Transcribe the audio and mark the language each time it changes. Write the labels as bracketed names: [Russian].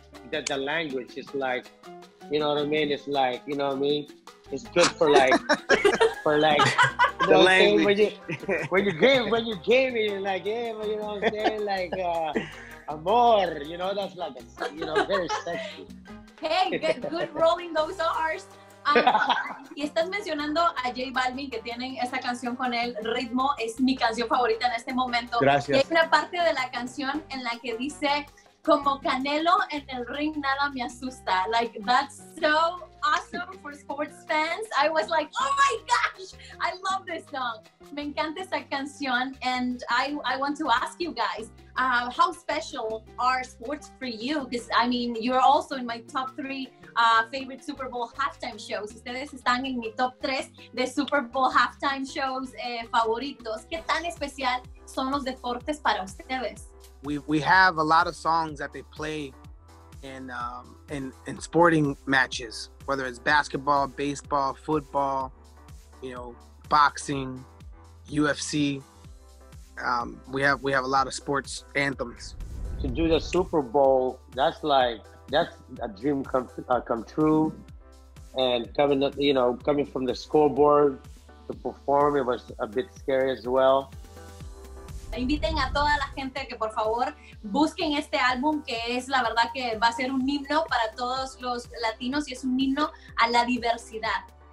[English] That the language is like, you know what I mean? It's like, you know what I mean? It's good for like you know, the language. When you're gaming, you're like, yeah, you know what I'm saying? Like amor, you know, that's like a, you know, very sexy. Hey, good rolling those R's. [Spanish] Y estás mencionando a J Balvin, que tienen esta canción con él, Ritmo, es mi canción favorita en este momento. Gracias. Y hay una parte de la canción en la que dice, como Canelo en el ring, nada me asusta. [English] Like, that's so awesome for sports fans. I was like, oh my gosh, I love this song. [Spanish] Me encanta esa canción. [English] And I want to ask you guys, how special are sports for you? Because, I mean, you're also in my top three favorite Super Bowl halftime shows. [Spanish] Ustedes están en mi top tres de Super Bowl halftime shows favoritos. ¿Qué tan especial son los deportes para ustedes? [English] We have a lot of songs that they play in sporting matches, whether it's basketball, baseball, football, you know, boxing, UFC. We have a lot of sports anthems. To do the Super Bowl, that's like, that's a dream come true. And coming, you know, coming from the scoreboard, to perform. It was a bit scary as well. [Spanish] Inviten a toda la gente que por favor busquen este álbum, que es la verdad que va a ser un himno para todos los latinos y es un himno a la diversidad.